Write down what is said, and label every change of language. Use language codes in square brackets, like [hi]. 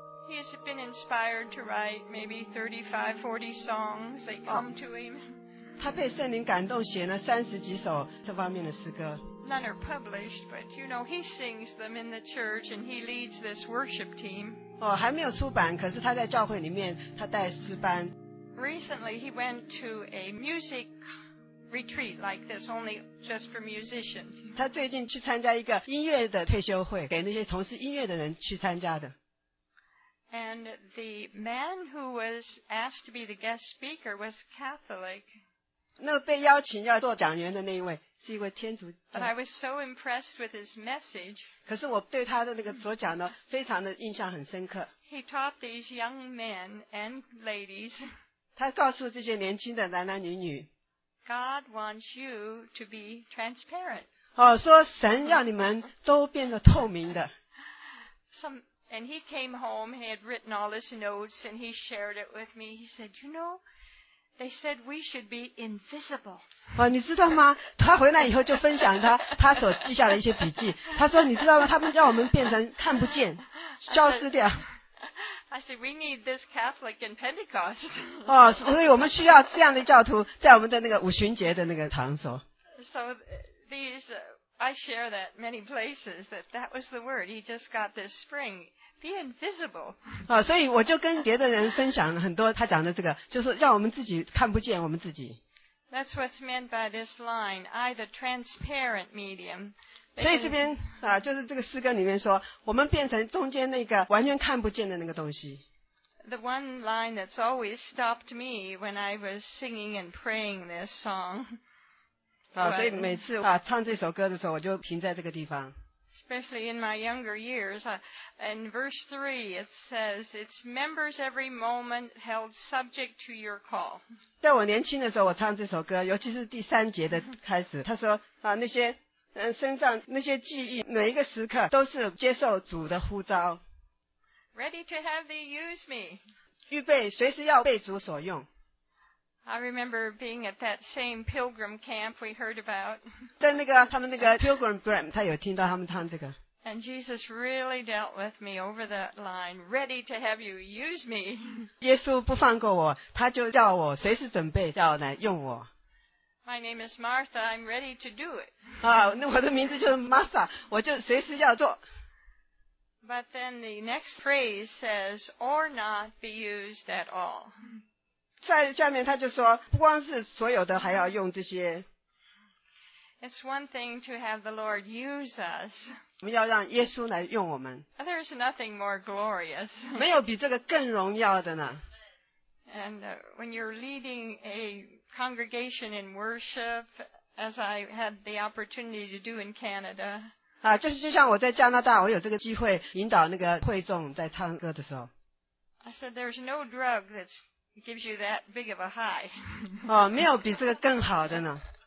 [en] He has been inspired to write maybe 35, 40 songs. They come to him. [zh] 他被圣灵感动写了30几首这方面的诗歌。 [en] None are published, but you know, he sings them in the church and he leads this worship team. [zh] 还没有出版,可是他在教会里面,他带诗班。 [en] Recently, he went to a music retreat like this, only just for musicians. [zh] 他最近去参加一个音乐的退休会,给那些从事音乐的人去参加的。 [en] And the man who was asked to be the guest speaker was Catholic. [zh] 那被邀请要做讲员的那一位是一位天主教。 [en] But I was so impressed with his message. [zh] 可是我对他的那个所讲呢，非常的印象很深刻。 [en] He taught these young men and ladies. [zh] 他告诉这些年轻的男男女女。 [en] God wants you to be transparent. [zh] 哦，说神让你们都变得透明的。 [en] And he came home, he had written all his notes, and he shared it with me. He said, you know, they said we should be invisible. [zh] 哦，你知道吗？他回来以后就分享他所记下的一些笔记。他说，你知道吗？他们叫我们变成看不见，消失掉。 [en] I said, we need this Catholic in Pentecost. [zh] 哦，所以我们需要这样的教徒在我们的那个五旬节的那个场所。 [en] So these... I share that many places that was the word. He just got this spring. Be invisible. [zh] 啊，所以我就跟别的人分享很多他讲的这个，就是让我们自己看不见我们自己。 [en] That's what's meant by this line. I, the transparent medium. [zh] 所以这边啊，就是这个诗歌里面说，我们变成中间那个完全看不见的那个东西。 [en] The one line that's always stopped me when I was singing and praying this song. [zh] 所以每次啊唱这首歌的时候，我就停在这个地方。 [en] Especially in my younger years, in verse 3 it says, "Its members every moment held subject to your call." [zh] 在我年轻的时候，我唱这首歌，尤其是第三节的开始，他说啊那些身上那些记忆，每一个时刻都是接受主的呼召。 [en] Ready to have thee use me. [zh] 预备随时要被主所用。 [en] I remember being at that same pilgrim camp we heard about. [zh] 在那个他们那个 [en] pilgrim camp, [zh] 他有听到他们唱这个。 [en] And Jesus really dealt with me over that line, ready to have you use me. [zh] 耶稣不放过我，他就叫我随时准备要来用我。 [en] My name is Martha, I'm ready to do it. [zh] 啊，那我的名字就是 Martha, 我就随时要做。 [en] But then the next phrase says, or not be used at all. [zh] 在下面他就说不光是所有的还要用这些 [en] It's one thing to have the Lord use us. [zh] 我们要让耶稣来用我们 [en] There's nothing more glorious. [zh] 没有比这个更荣耀的呢 [en] And when you're leading a congregation in worship, as I had the opportunity to do in Canada. [zh] 啊，就像我在加拿大我有这个机会引导那个会众在唱歌的时候 [en] I said there's no drug that'sIt gives you that big of a high. [zh] 哦，没有比这个更好的呢。